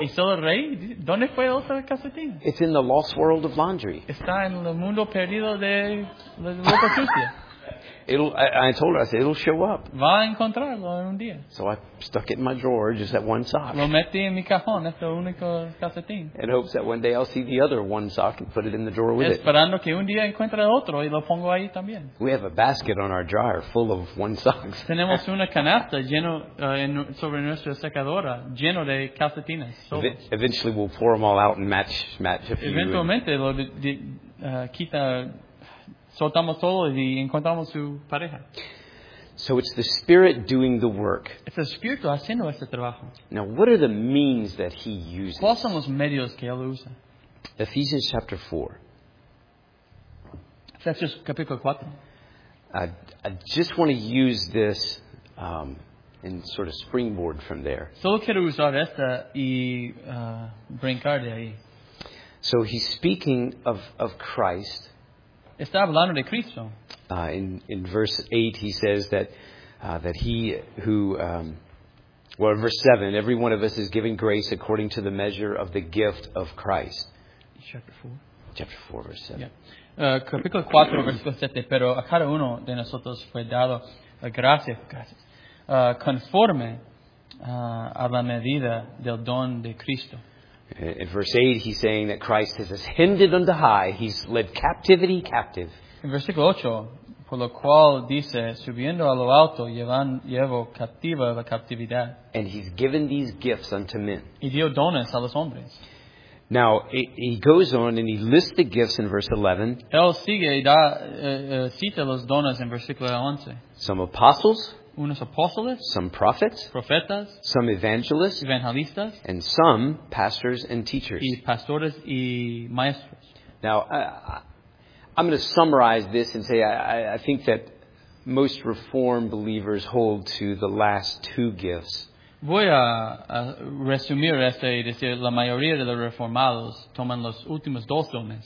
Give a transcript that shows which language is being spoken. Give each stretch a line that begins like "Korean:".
Spanish: ¿Y solo rey? ¿Dónde fue el otro calcetín?
English: It's in the lost world of laundry.
Spanish: Está en el mundo perdido de la ropa sucia.
English: I told her, I said, it'll show up.
Spanish: Va a encontrarlo en un día.
English: So I stuck it in my drawer, just that one sock.
Spanish: Lo metí en mi cajón, este único calcetín.
English: In hopes that one day I'll see the other one sock and put it in the drawer with
Spanish: esperando
English: it.
Spanish: Esperando que un día encuentre otro y lo pongo ahí también.
English: We have a basket on our dryer full of one socks.
Spanish: Tenemos una canasta sobre nuestra secadora, lleno de calcetines.
English: Eventually we'll pour them all out and match a few.
Spanish: Eventualmente lo quita. Soltamos todo y encontramos su pareja.
English: So it's the Spirit doing the work.
Spanish: Es el Espíritu haciendo este trabajo.
English: Now, what are the means that he uses?
Spanish: ¿Cuáles son los medios que él usa?
English: Ephesians chapter 4.
Spanish: Efesios capítulo 4.
English: I just want to use this and sort of springboard from there.
Spanish: Solo quiero usar esta y brincar de ahí.
English: So he's speaking of Christ.
Spanish: Está hablando de Cristo.
English: In verse 8 he says that he who in verse 7 every one of us is given grace according to the measure of the gift of Christ. Chapter 4 verse 7. Yeah.
Spanish: Capítulo 4 versículo 7, pero a cada uno de nosotros fue dado gracias conforme a la medida del don de Cristo.
English: In verse 8, he's saying that Christ has ascended unto high. He's led captivity captive.
Spanish: In versículo 8, por lo cual dice, subiendo a lo alto, llevo captiva la captividad.
English: And he's given these gifts unto men.
Spanish: Y dio dones a los hombres.
English: Now, he goes on and he lists the gifts in verse 11.
Spanish: Él sigue y da, cita los dones en versículo 11.
English: Some apostles.
Spanish: unos apóstoles,
English: some prophets,
Spanish: profetas,
English: some evangelists,
Spanish: evangelistas,
English: and some pastors and teachers.
Spanish: Y pastores y maestros.
English: Now, I'm going to summarize this and say I think that most Reformed believers hold to the last two gifts.
Spanish: Voy a resumir esto y decir la mayoría de los reformados toman los últimos dos dones.